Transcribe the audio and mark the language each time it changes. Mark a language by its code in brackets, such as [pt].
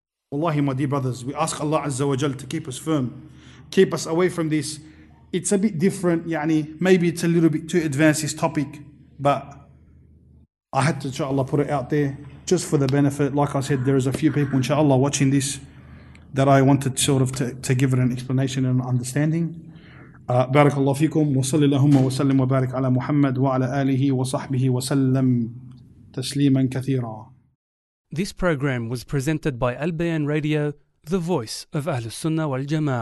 [en] Wallahi, my dear brothers, we ask Allah Azza wa Jal to keep us firm, keep us away from this. It's a bit different, yani maybe it's a little bit too advanced, this topic, but I had to, inshallah, put it out there just for the benefit. Like I said, there is a few people, inshallah, watching this that I wanted sort of to give it an explanation and understanding. [ar] بارك الله فيكم وصلي اللهم وسلم وبارك على محمد وعلى آله وصحبه وسلم تسليما كثيرا. [en] This program was presented by Al Bayan Radio, the voice of Ahl Sunnah wal Jama'ah.